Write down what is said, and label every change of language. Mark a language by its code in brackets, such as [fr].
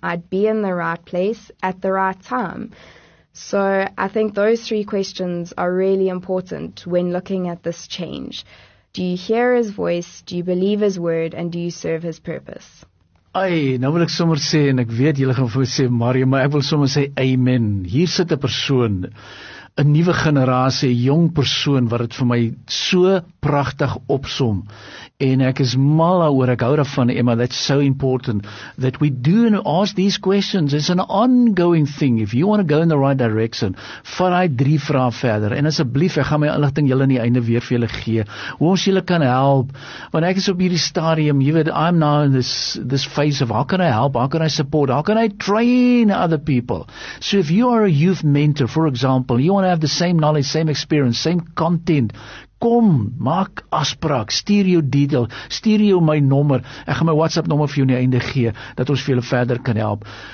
[en] I'd be in the right place at the right time. So I think those three questions are really important when looking at this change. Do you hear his voice? Do you believe his word? And do you serve his purpose? [af] Ai, nou wil ek sommer sê, en ek weet, julle gaan vir my sê, Mario, maar ek wil sommer sê, amen. Hier sit 'n persoon, 'n nuwe generasie, 'n jong persoon, wat het vir my so prachtig opsom. En ek is mal oor, ek hou daarvan, [en] Emma, that's so important, that we do and ask these questions. It's an ongoing thing. If you want to go in the right direction, [af] vat hy drie vrae verder. En asseblief, ek gaan my inligting julle in die einde weer vir julle gee, hoe ons julle kan help. Want ek is op hierdie stadium, [en] you know, I'm now in this phase of, how can I help, how can I support, how can I train other people? So if you are a youth mentor, for example, you want to have the same knowledge, same experience, same content, [af] kom, maak afspraak, stuur jou detail, stuur jou my nommer, ek gaan my WhatsApp nommer vir jou nie einde gee, dat ons vir julle verder kan help.